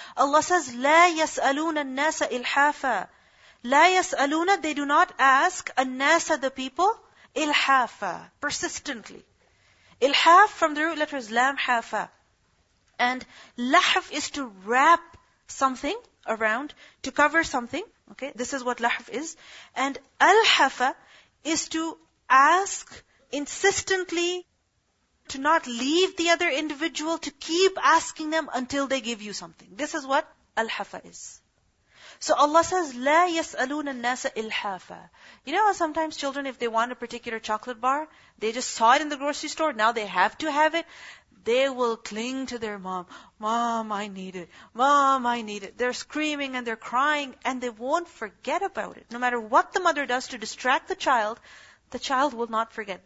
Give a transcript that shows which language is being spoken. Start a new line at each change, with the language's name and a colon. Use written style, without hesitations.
English: Allah says,
Arabic: لَا يَسْأَلُونَ النَّاسَ إِلْحَافًا. لَا يَسْأَلُونَ,
English: they do not ask النَّاسَ, the people, إِلْحَافًا, persistently. إِلْحَاف from the root letters, لَامْ حَافًا. And لَحْف is to wrap something around, to cover something. Okay, this is what lahf is. And alhafa is to ask insistently, to not leave the other individual, to keep asking them until they give you something. This is what alhafa is. So Allah says,
Arabic: لَا يَسْأَلُونَ النَّاسَ إِلْحَافًا.
English: You know how sometimes children, if they want a particular chocolate bar, they just saw it in the grocery store, now they have to have it. They will cling to their mom. Mom, I need it. Mom, I need it. They're screaming and they're crying and they won't forget about it. No matter what the mother does to distract the child will not forget.